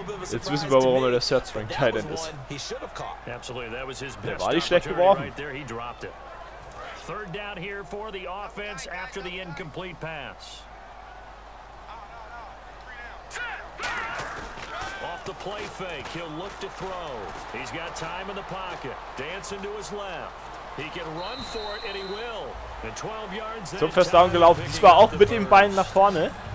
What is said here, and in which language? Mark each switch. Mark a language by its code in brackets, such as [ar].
[de] Jetzt wissen wir, warum er der [en] Third String [de] Thailand ist. Der war nicht schlecht geworfen. [en] Third down here for the offense after the incomplete pass. Off the play fake, he'll look to throw. He's got time in the pocket, dancing to his left. He can run for it and he will. And 12 yards. [de] Zum First Down gelaufen, zwar auch mit den Beinen nach vorne.